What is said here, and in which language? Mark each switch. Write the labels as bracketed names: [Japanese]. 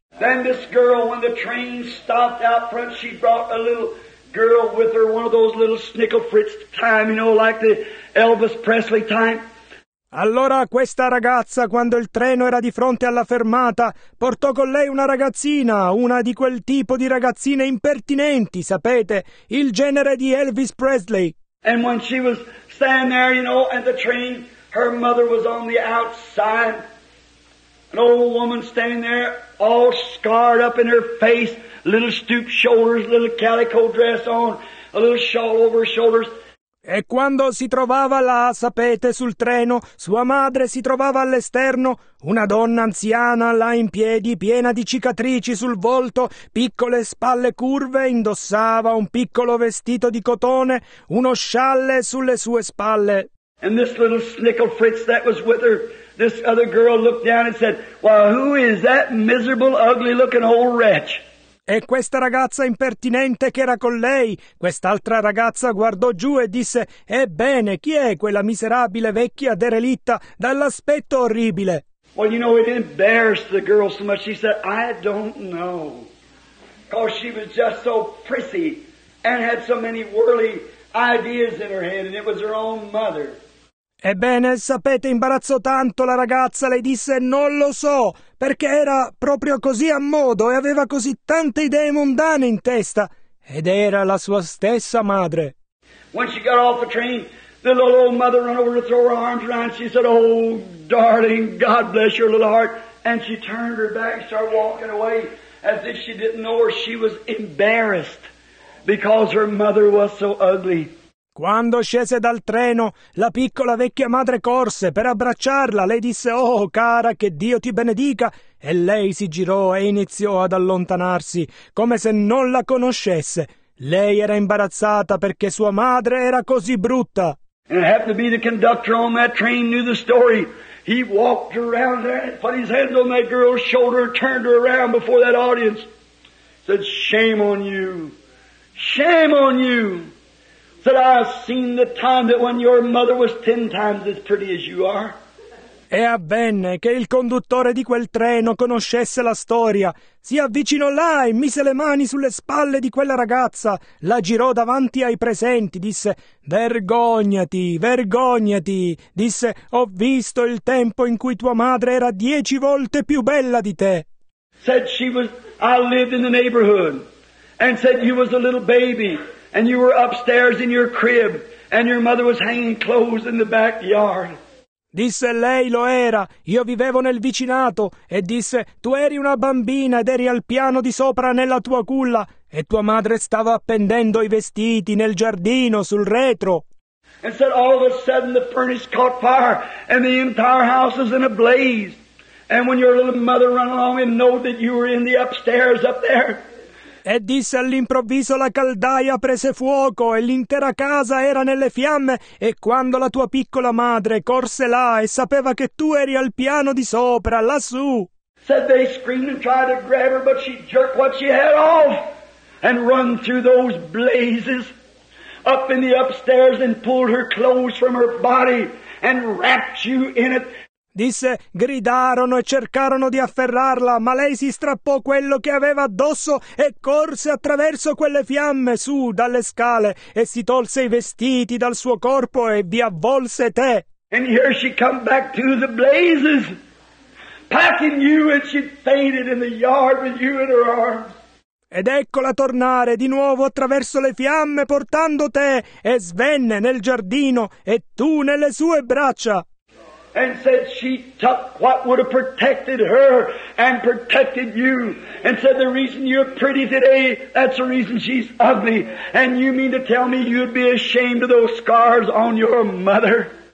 [English] Then this girl, when the train stopped out front, she brought a little girl with her, one of those little Snicklefritz time, you know, like the Elvis Presley time. [Italian] Allora questa ragazza, quando il treno era di fronte alla fermata, portò con lei una ragazzina, una di quel tipo di ragazzine impertinenti, sapete, il genere di Elvis Presley. [English] And when she was standing there, you know, at the train, her mother was on the outside, an old woman standing there, all scarred up in her face, little stooped shoulders, little calico dress on, a little shawl over her shoulders. [Italian] E quando si trovava là, sapete, sul treno, sua madre si trovava all'esterno, una donna anziana là in piedi, piena di cicatrici sul volto, piccole spalle curve, indossava un piccolo vestito di cotone, uno scialle sulle sue spalle. [English] And this little Snicklefritz that was with her, this other girl looked down and said, "Well, who is that miserable, ugly looking old wretch?" [Italian] E questa ragazza impertinente che era con lei, quest'altra ragazza guardò giù e disse, ebbene, chi è quella miserabile vecchia derelitta dall'aspetto orribile? [English] Well, you know, it embarrassed the girl so much. She said, "I don't know." Because she was just so prissy and had so many worldly ideas in her head, and it was her own mother. [Italian] Ebbene, sapete, imbarazzò tanto la ragazza, lei disse, non lo so, perché era proprio così a modo e aveva così tante idee mondane in testa, ed era la sua stessa madre. [English] When she got off the train, the little old mother ran over to throw her arms around, she said, "Oh, darling, God bless your little heart," and she turned her back and started walking away as if she didn't know her. She was embarrassed because her mother was so ugly. [Italian] Quando scese dal treno, la piccola vecchia madre corse per abbracciarla. Lei disse, "Oh, cara, che Dio ti benedica." E lei si girò e iniziò ad allontanarsi, come se non la conoscesse. Lei era imbarazzata perché sua madre era così brutta. [English] And it happened to be the conductor on that train knew the story. He walked around there, put his hands on that girl's shoulder, turned her around before that audience. Said, "Shame on you. Shame on you." Said, "I've seen the time that when your mother was 10 times as pretty as you are." [Italian] E avvenne che il conduttore di quel treno conoscesse la storia. Si avvicinò là e mise le mani sulle spalle di quella ragazza. La girò davanti ai presenti. Disse, "Vergognati, vergognati." Disse, "Ho visto il tempo in cui tua madre era 10 volte più bella di te." [English] Said she was, "I lived in the neighborhood." And said, "You was a little baby. And you were upstairs in your crib, and your mother was hanging clothes in the backyard." [Italian] Disse, lei lo era, io vivevo nel vicinato. E disse, tu eri una bambina ed eri al piano di sopra nella tua culla e tua madre stava appendendo i vestiti nel giardino sul retro. [English] And said all of a sudden the furnace caught fire and the entire house is in a blaze. And when your little mother ran along and knew that you were in the upstairs up there. [Italian] E disse all'improvviso la caldaia prese fuoco e l'intera casa era nelle fiamme e quando la tua piccola madre corse là e sapeva che tu eri al piano di sopra, lassù. [English] Said they screamed and tried to grab her but she jerked what she had off and run through those blazes up in the upstairs and pulled her clothes from her body and wrapped you in it. [Italian] Disse, gridarono e cercarono di afferrarla, ma lei si strappò quello che aveva addosso e corse attraverso quelle fiamme su dalle scale e si tolse i vestiti dal suo corpo e vi avvolse te. [English] And here she come back to the blazes, packing you and she fainted in the yard with you in her arms. [Italian] Ed eccola tornare di nuovo attraverso le fiamme portando te e svenne nel giardino e tu nelle sue braccia. [English] And said she took what would have protected her and protected you. And said the reason you're pretty today, that's the reason she's ugly. And you mean to tell me you'd be ashamed of those scars on your mother?